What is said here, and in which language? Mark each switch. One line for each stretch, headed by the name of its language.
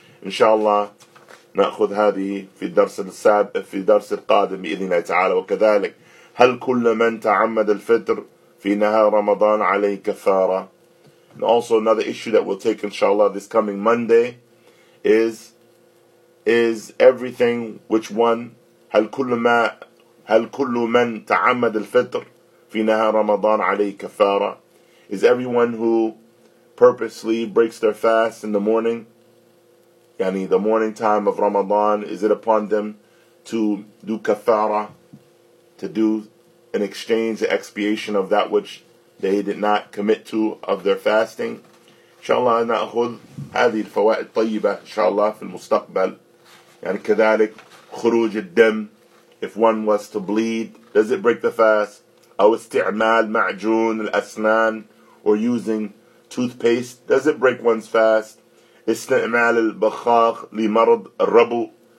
Arabic: Inshallah, نأخذ هذه في الدرس السابق في الدرس القادم بإذن الله تعالى. وكذلك هل كل من تعمد الفطر في نهار رمضان عليه كفارة.
English: And also another issue that we'll take inshallah this coming Monday is everything which one
Arabic: هل كل من تعمد الفطر في نهار رمضان عليه كفارة.
English: Is everyone who purposely breaks their fast in the morning, يعني the morning time of Ramadan, is it upon them to do kafara, to do an exchange, an expiation of that which they did not commit to of their fasting?
Arabic: Inshallah, نأخذ هذه الفوائد الطيبة
English: inshallah
Arabic: في المستقبل. يعني كذلك خروج الدم.
English: If one was to bleed, does it break the fast?
Arabic: أو استعمال معجون الأسنان,
English: or using toothpaste, does it break one's fast?
Arabic: استعمال البخاخ لمرض الربو.